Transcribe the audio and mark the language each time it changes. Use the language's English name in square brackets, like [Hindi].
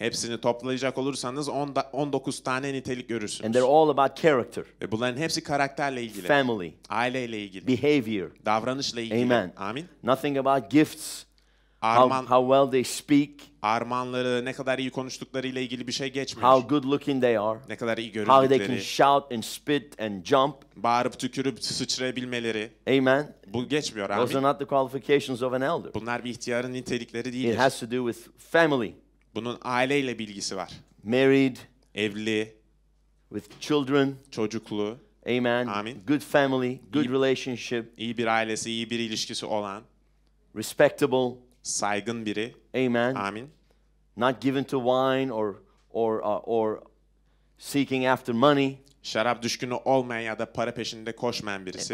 [Turkish] Hepsini toplayacak olursanız 19 tane nitelik görürsünüz. [English] And they're all about character. [Turkish] Ve bunların hepsi karakterle ilgili. [English] Family. [Turkish] Aileyle ilgili. [English] Behavior. [Turkish] Davranışla ilgili. [English] Amen. [Turkish] Amin. [English] Nothing about gifts. How well they speak. [Turkish] Armanları, ne kadar iyi konuştuklarıyla ilgili bir şey geçmiyor. [English] How good looking they are. [Turkish] Ne kadar iyi görünüyorlar. [English] How they can shout and spit and jump. [Turkish] Bağırıp tükürüp sıçrayabilmeleri. [English] Amen. [Turkish] Bu geçmiyor. [English] Those are not the qualifications of an elder. [Turkish] Bunlar bir ihtiyarın nitelikleri değildir. [English] It has to do with family. [Turkish] Bunun aileyle ilgisi var. [English] Married. [Turkish] Evli. [English] With children. [Turkish] Çocuklu. [English] Amen. [Turkish] Amin. [English] Good family, good relationship. [Turkish] İyi bir ailesi, iyi bir ilişkisi olan. [English] Respectable. [Turkish] Saygın biri. [English] Amen. [Turkish] Amin. [English] Not given to wine or seeking after money. [Turkish] Şarap düşkünü olmayan ya da para peşinde koşmayan birisi.